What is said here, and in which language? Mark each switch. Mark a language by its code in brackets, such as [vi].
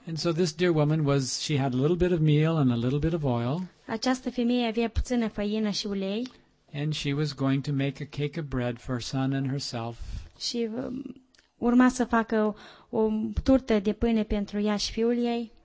[en] And so this dear woman was, she had a little bit of meal and a little bit of oil. [ro] Această femeie avea puțină făină și ulei. [en] And she was going to make a cake of bread for her son and herself. [ro] Și urma să facă o turtă de pâine pentru ea și fiul ei.